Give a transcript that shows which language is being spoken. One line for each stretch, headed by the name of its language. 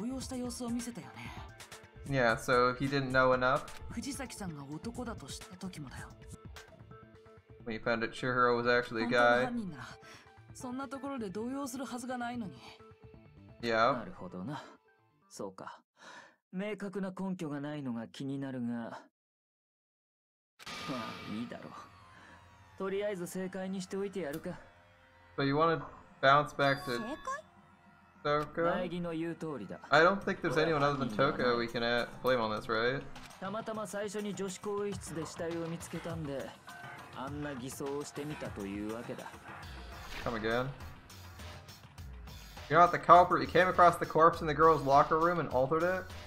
English: Yeah, so he didn't know enough. When he found out Chihiro was actually a guy. Yeah.
Japanese: なるほどな。そうか。明確な根拠がないのが気になるが。まあいいだろう。とりあえず正解にしておいてやるか。
English: But you want to bounce back to Toko?
Japanese: 大義の言う通りだ。
English: I don't think there's anyone other than Toko we can blame on this, right?
Japanese: たまたま最初に女子更衣室で死体を見つけたんで、あんな偽装をしてみたというわけだ。
English: Come again. You're not the culprit. You came across the corpse in the girl's locker room and altered it?